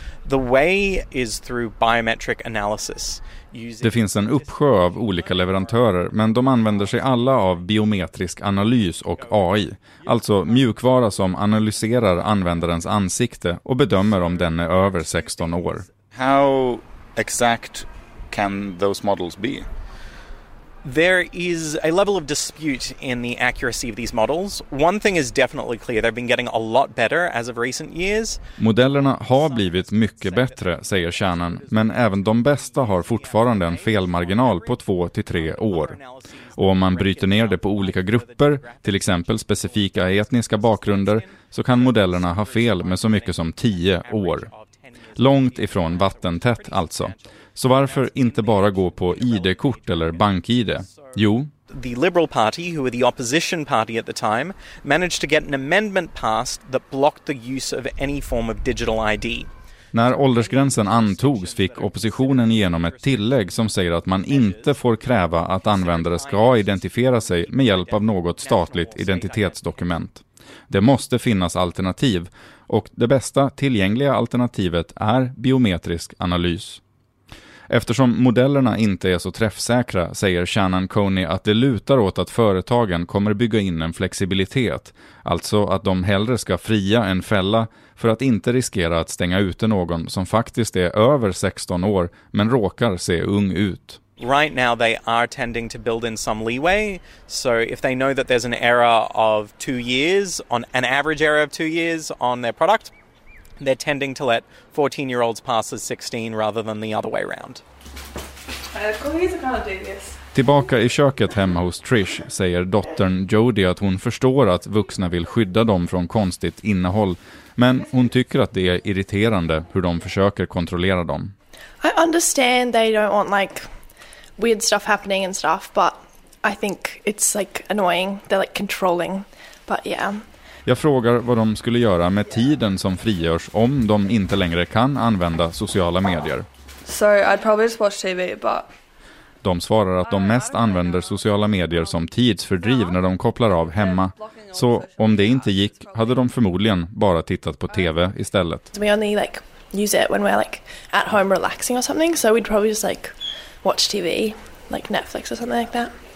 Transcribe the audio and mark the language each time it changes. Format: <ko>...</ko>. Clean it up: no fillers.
<en>The way is through biometric analysis.</en> <sv>Det finns en uppsjö av olika leverantörer, men de använder sig alla av biometrisk analys och AI. Alltså mjukvara som analyserar användarens ansikte och bedömer om den är över 16 år.</sv> <en>How exact can those models be? There is a level of dispute in the accuracy of these models. One thing is definitely clear, they've been getting a lot better as of recent years.</en> <sv>Modellerna har blivit mycket bättre, säger Shannon, men även de bästa har fortfarande en felmarginal på 2-3 år. Och om man bryter ner det på olika grupper, till exempel specifika etniska bakgrunder, så kan modellerna ha fel med så mycket som 10 år. Långt ifrån vattentätt alltså. Så varför inte bara gå på ID-kort eller bank-ID? Jo,</sv> <en>the Liberal Party, who were the opposition party at the time, managed to get an amendment passed that blocked the use of any form of digital ID.</en> <sv>När åldersgränsen antogs fick oppositionen igenom ett tillägg som säger att man inte får kräva att användare ska identifiera sig med hjälp av något statligt identitetsdokument. Det måste finnas alternativ, och det bästa tillgängliga alternativet är biometrisk analys. Eftersom modellerna inte är så träffsäkra säger Shannon Coney att det lutar åt att företagen kommer bygga in en flexibilitet, alltså att de hellre ska fria än fälla för att inte riskera att stänga ute någon som faktiskt är över 16 år men råkar se ung ut.</sv> <en>Right now they are tending to build in some leeway, so if they know that there's an error of 2 years, on an average error of 2 years on their product, they're tending to let 14-year-olds pass as 16 rather than the other way around.</en> <sv>Tillbaka i köket hemma hos Trish säger dottern Jody att hon förstår att vuxna vill skydda dem från konstigt innehåll, men hon tycker att det är irriterande hur de försöker kontrollera dem.</sv> <en>I understand they don't want like weird stuff happening and stuff, but I think it's like annoying, they're like controlling, but yeah.</en> <sv>Jag frågar vad de skulle göra med tiden som frigörs om de inte längre kan använda sociala medier.</sv> <en>So I'd probably just watch TV, but...</en> <sv>De svarar att de mest använder sociala medier som tidsfördriv när de kopplar av hemma. Så om det inte gick hade de förmodligen bara tittat på TV istället.</sv> <en>We only like use it when we're like at home relaxing or something, so we'd probably just like watch TV, like Netflix or something like that.</en>